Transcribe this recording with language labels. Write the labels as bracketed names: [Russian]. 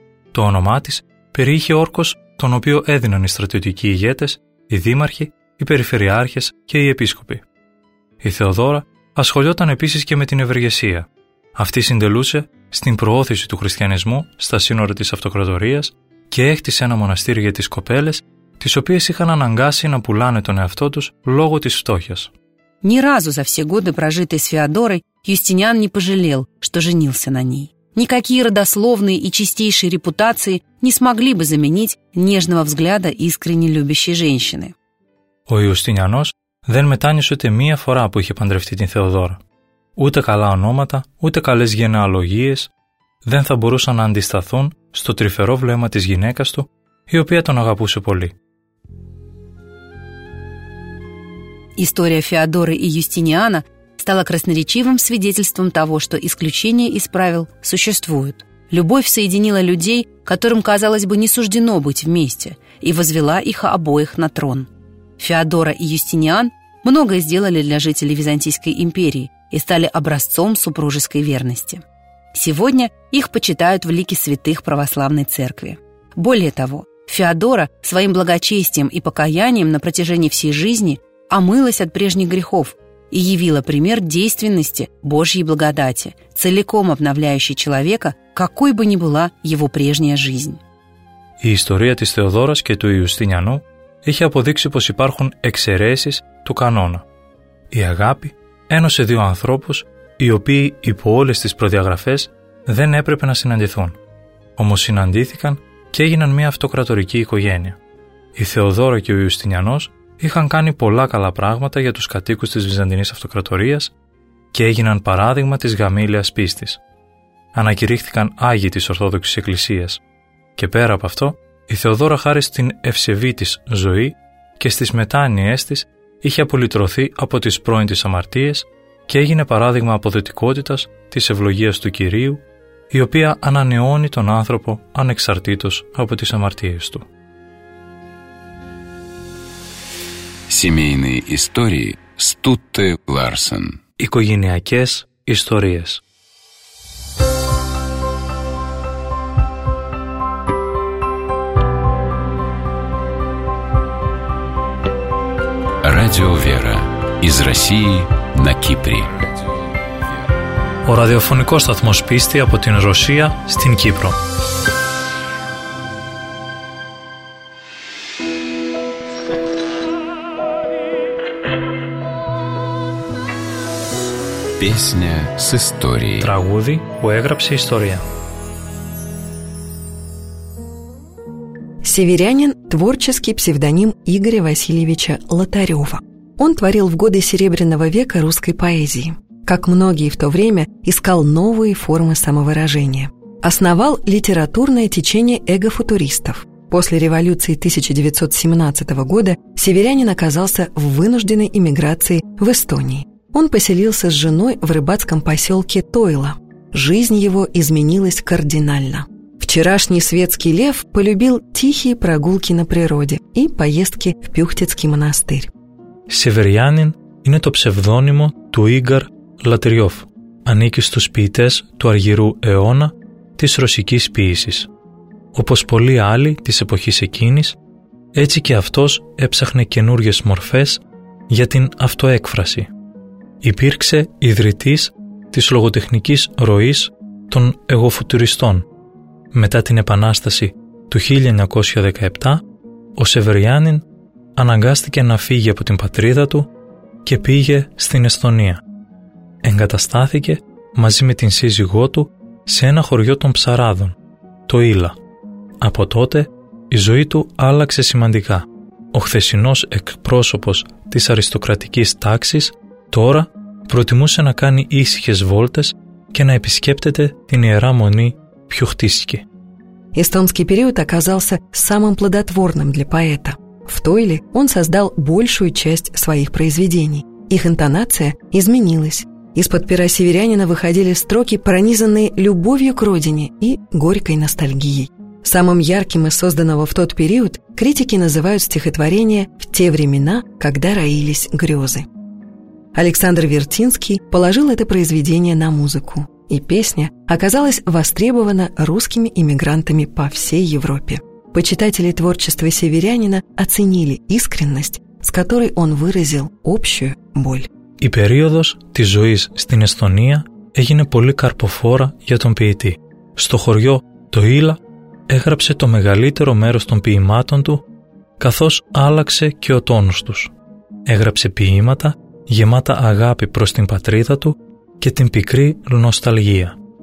[Greek] Το όνομά της περιείχε όρκος τον οποίο έδιναν οι στρατιωτικοί ηγέτες, οι δήμαρχοι, οι περιφερειάρχες και οι επίσκοποι. Η Θεοδώρα ασχολιόταν επίσης και με την ευεργεσία. Αυτή συντελούσε στην προώθηση του χριστιανισμού στα σύνορα της αυτοκρατορίας και έκτισε ένα μοναστήρι για τις κοπέλες, τις οποίες είχαν αναγκάσει να πουλάνε τον εαυτό τους λόγω της φτώχειας. [Russian] Ни разу за все годы, прожитые с Феодорой, Юстиниан не пожалел, что женился на ней. Никакие родословные и чистейшие репутации не смогли бы заменить нежного взгляда искренне любящей женщины. [Greek] Ο Ιουστινιανός δεν μετάνιωσε ούτε μία φορά που είχε παντρευτεί την Θεοδώρα. Ούτε καλά ονόματα, ούτε καλές γενεαλογίες δεν θα μπορούσαν να αντισταθούν στο τρυφερό βλέμμα της γυναίκας του, η οποία τον αγαπούσε πολύ. [Russian] История Феодоры и Юстиниана стала красноречивым свидетельством того, что исключения из правил существуют. Любовь соединила людей, которым, казалось бы, не суждено быть вместе, и возвела их обоих на трон. Феодора и Юстиниан многое сделали для жителей Византийской империи и стали образцом супружеской верности. Сегодня их почитают в лике святых православной церкви. Более того, Феодора своим благочестием и покаянием на протяжении всей жизни омылась от прежних грехов и явила пример действенности Божьей благодати, целиком обновляющей человека, какой бы ни была его прежняя жизнь. И история [Greek] της Θεοδώρας και του Ιουστινιανού είχε αποδείξει πως υπάρχουν εξαιρέσεις του κανόνα. Η αγάπη ένωσε δύο ανθρώπους, οι οποίοι υπό όλες τις προδιαγραφές δεν έπρεπε να συναντηθούν. Όμως συναντήθηκαν και έγιναν μια αυτοκρατορική οικογένεια. Η Θεοδώρα και ο Ιουστινιανός είχαν κάνει πολλά καλά πράγματα για τους κατοίκους της Βυζαντινής Αυτοκρατορίας και έγιναν παράδειγμα της γαμήλιας πίστης. Ανακηρύχθηκαν άγιοι της Ορθόδοξης Εκκλησίας. Και πέρα από αυτό, η Θεοδώρα χάρη στην ευσεβή της ζωή και στις μετάνοιές της είχε απολυτρωθεί από τις πρώην της αμαρτίες και έγινε παράδειγμα αποδοτικότητας της ευλογίας του Κυρίου, η οποία ανανεώνει τον άνθρωπο ανεξαρτήτως από τις αμαρτίες του. [Russian] Семейные истории Стутте Ларсен. [Greek] Οικογενειακές ιστορίες. [Russian] Радио Вера. Из России на Кипре. [Greek] Ο ραδιοφωνικός σταθμός πίστη από την Ρωσία στην Κύπρο. [Russian] Песня с историей. [Greek] Τραγούδι που έγραψε ιστορία. [Russian] Северянин – творческий псевдоним Игоря Васильевича Лотарева. Он творил в годы Серебряного века русской поэзии. Как многие в то время, искал новые формы самовыражения. Основал литературное течение эго-футуристов. После революции 1917 года северянин оказался в вынужденной эмиграции в Эстонии. Он поселился с женой в рыбацком поселке Тойла. Жизнь его изменилась кардинально. Вчерашний светский лев полюбил тихие прогулки на природе и поездки в Пюхтицкий монастырь. Северянин – это [Greek] псевдонимо του Игор Латерьев. Ανήκει στους ποιητές του Αργυρού αιώνα της ρωσικής ποίησης. όπως πολλοί άλλοι της εποχής εκείνης, έτσι και αυτός έψαχνε καινούριες μορφές για την αυτοέκφραση. Υπήρξε ιδρυτής της λογοτεχνικής ροής των εγωφουτουριστών. Μετά την Επανάσταση του 1917, ο Σεβεριάνιν αναγκάστηκε να φύγει από την πατρίδα του και πήγε στην Εσθονία. Εγκαταστάθηκε μαζί με την σύζυγό του σε ένα χωριό των ψαράδων, το Ήλα. Από τότε η ζωή του άλλαξε σημαντικά. Ο χθεσινός εκπρόσωπος της αριστοκρατικής τάξης τώρα προτιμούσε να κάνει ήσυχες βόλτες και να επισκέπτεται την Ιερά Μονή Πιουχτίσκη. [Russian] Эстонский период оказался самым плодотворным для поэта. В Тойле он создал большую часть своих произведений. Их интонация изменилась. Из-под пера северянина выходили строки, пронизанные любовью к родине и горькой ностальгией. Самым ярким из созданного в тот период критики называют стихотворение «В те времена, когда роились грезы». Александр Вертинский положил это произведение на музыку, и песня оказалась востребована русскими эмигрантами по всей Европе. Почитатели творчества северянина оценили искренность, с которой он выразил общую боль. [Greek] Η περίοδος της ζωής στην Εσθονία έγινε πολύ καρποφόρα για τον ποιητή. Στο χωριό το Ήλα έγραψε το μεγαλύτερο μέρος των ποιημάτων του, καθώς άλλαξε και ο τόνος τους. Έγραψε ποιήματα γεμάτα αγάπη προς την πατρίδα του και την πικρή νοσταλγία.